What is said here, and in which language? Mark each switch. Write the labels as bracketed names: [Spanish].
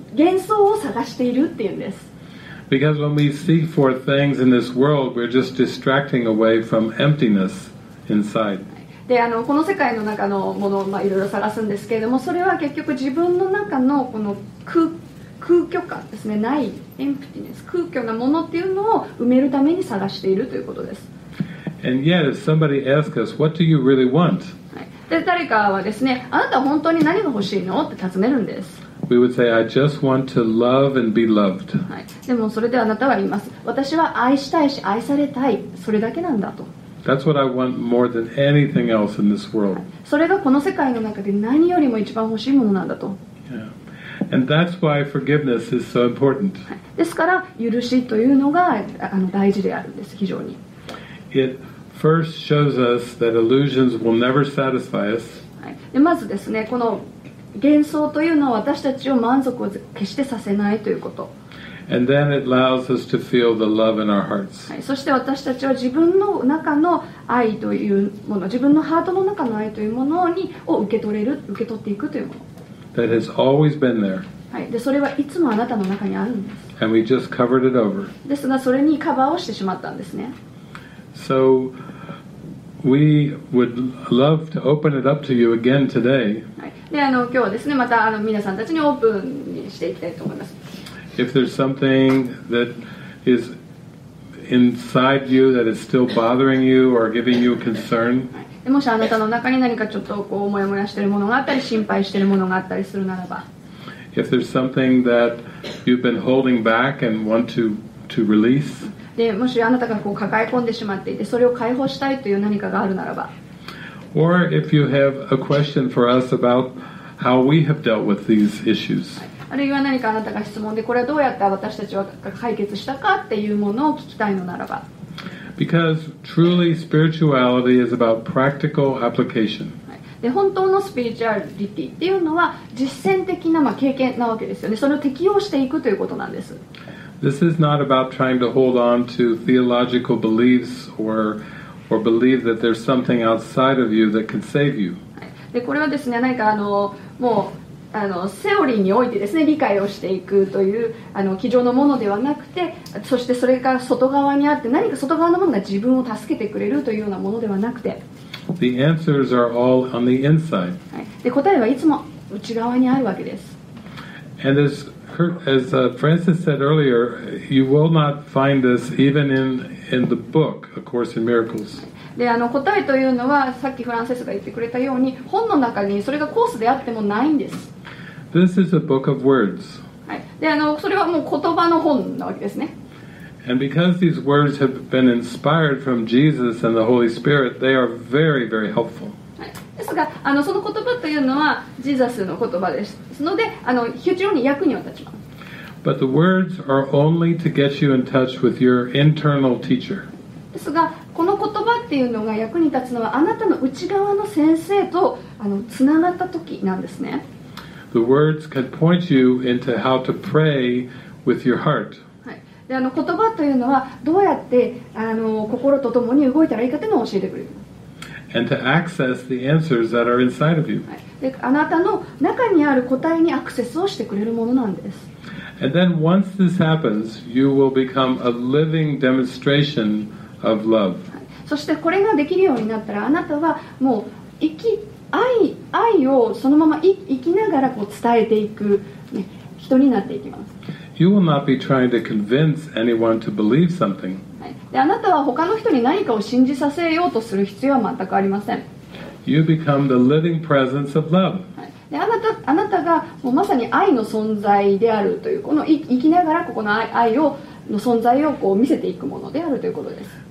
[Japanese] 幻想を探しているっていうんです。 [English] Because when we seek for things in this world, we're just distracting away from emptiness inside. [Japanese] でこの世界の中のものを、まあ、いろいろ探すんですけれども、それは結局自分の中のこの 空虚感ですね、ないエンプティネス、空虚なものっていうのを埋めるために探しているということです。 [English] And yet, if somebody asks us, what do you really want?、 [Japanese] はい、で誰かはですね、あなた本当に何が欲しいのって尋ねるんです。 [English] We would say, I just want to love and be loved、 [Japanese] はい、でもそれであなたは言います、私は愛したいし愛されたい、それだけなんだと。 [English] That's what I want more than anything else in this world. [Japanese] それがこの世界の中で何よりも一番欲しいものなんだと。 [English] Yeah. And that's why forgiveness is so important. [Japanese] ですから許しというのが大事であるんです、非常に。 [English] It first shows us that illusions will never satisfy us. [Japanese] でまずですね、この幻想というのは私たちを満足を決してさせないということ。 [English] And then it allows us to feel the love in our hearts. [Japanese] そして私たちは自分の中の愛というもの、自分のハートの中の愛というものを受け取っていくというもの。 [English] That has always been there. [Japanese] はい、でそれはいつもあなたの中にあるんです。 [English] And we just covered it over. [Japanese] ですがそれにカバーをしてしまったんですね。 [English] So we would love to open it up to you again today. [Japanese] はい、で今日はですね、また皆さんたちにオープンにしていきたいと思います。 [English] If there's something that is inside you that is still bothering you or giving you concern, [Japanese] もしあなたの中に何かちょっとこうモヤモヤしているものがあったり心配しているものがあったりするならば、 [English] If there's something that you've been holding back and want to release, [Japanese] でもしあなたがこう抱え込んでしまっていてそれを解放したいという何かがあるならば、 [English] Or if you have a question for us about how we have dealt with these issues. [Japanese] あるいは何かあなたが質問でこれはどうやって私たちは解決したかっていうものを聞きたいのならば、 [English] Because truly spirituality is about practical application. [Japanese] で本当のスピリチュアリティっていうのは実践的な、まあ、経験なわけですよね。それを適用していくということなんです。 [English] This is not about trying to hold on to theological beliefs or believe that there's something outside of you that can save you. [Japanese] でこれはですね、何かもうセオリーにおいてですね、理解をしていくという机上のものではなくて、そしてそれが外側にあって、何か外側のものが自分を助けてくれるというようなものではなくて、 [English] The answers are all on the inside. [Japanese] で答えはいつも内側にあるわけです。 [English] And as Francis said earlier, you will not find this even in the book, A Course in Miracles. [Japanese] で答えというのは、さっきフランセスが言ってくれたように、本の中にそれがコースであってもないんです。 [English] This is a book of words. [Japanese] はい、でそれはもう言葉の本なわけですね。 [English] And because these words have been inspired from Jesus and the Holy Spirit, they are very, very helpful. [Japanese] はい、ですが、その言葉というのは、ジーザスの言葉です。ので、非常に役には立ちます。 [English] But the words are only to get you in touch with your internal teacher. [Japanese] ですが、この言葉っていうのが役に立つのは、あなたの内側の先生とつながった時なんですね。 [English] The words can point you into how to pray with your heart. [Japanese] はい。で、言葉というのは、どうやって心とともに動いたらいいかというのを教えてくれる。 [English] And to access the answers that are inside of you. [Japanese] はい。で、あなたの中にある答えにアクセスをしてくれるものなんです。 [English] And then once this happens, you will become a living demonstration of love. [Japanese] そしてこれができるようになったら、あなたはもう生き、愛をそのまま生きながらこう伝えていく、ね、人になっていきます。 [English] You will not be trying to convince anyone to believe something. [Japanese] であなたは他の人に何かを信じさせようとする必要は全くありません。 [English] You become the living presence of love. [Japanese] で あなたがもうまさに愛の存在であるという、この生きながらここの愛をの存在をこう見せていくものであるということです。